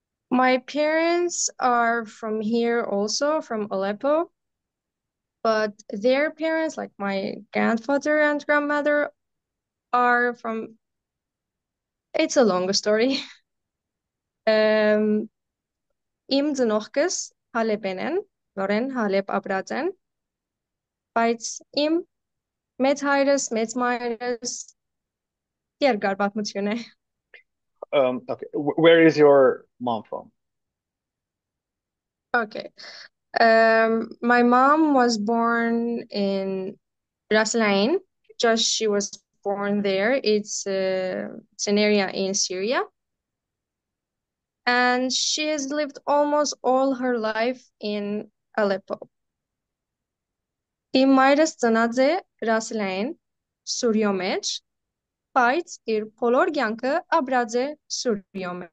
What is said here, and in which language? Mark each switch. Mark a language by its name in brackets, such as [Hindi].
[English] My parents are from here also, from Aleppo, but their parents, like my grandfather and grandmother, are from. It's a longer story. [Armenian] Իմ ծնողքս Հալեբեն են, որեն Հալեբ ապրած են, բայց իմ մեծ հայրս, մեծ մայրս երկար պատմություն է. [English] Okay, where is your mom from? My mom was born in Raslayn, just she was born there. It's an area in Syria. And she has lived almost all her life in Aleppo. [Armenian] Իմայրը ծնած է Ռասլեին, Սուրյո մեջ, բայց իր բոլոր կյանքը ապրած է Սուրյո